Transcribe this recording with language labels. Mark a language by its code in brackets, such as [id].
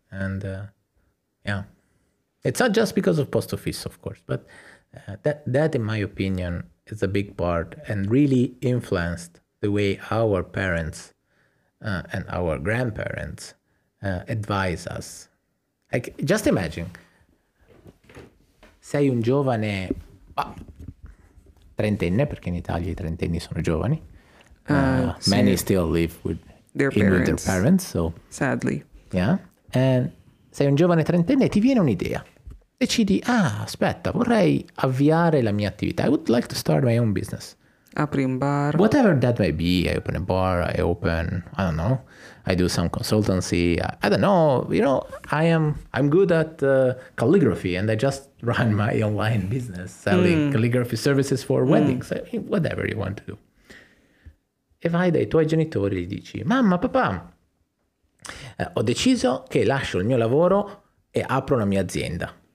[en] And yeah, it's not just because of post office, of course, but that in my opinion is a big part and really influenced the way our parents and our grandparents advise us. Like, just imagine, [it] sei un giovane, trentenne, perché in Italia i trentenni sono giovani. [en] Many still live with their parents, so sadly. Yeah, and [it] sei un giovane trentenne, ti viene un'idea. Decidi, aspetta, vorrei avviare la mia attività. [en] I would like to start my own business. [it] Apri un bar. [en] Whatever that may be, I open a bar, I don't know, I do some consultancy, I don't know, you know, I'm good at calligraphy and I just run my online business selling calligraphy services for weddings, whatever you want to do. [it] E vai dai tuoi genitori e gli dici, mamma, papà, ho deciso che lascio il mio lavoro e apro una mia azienda.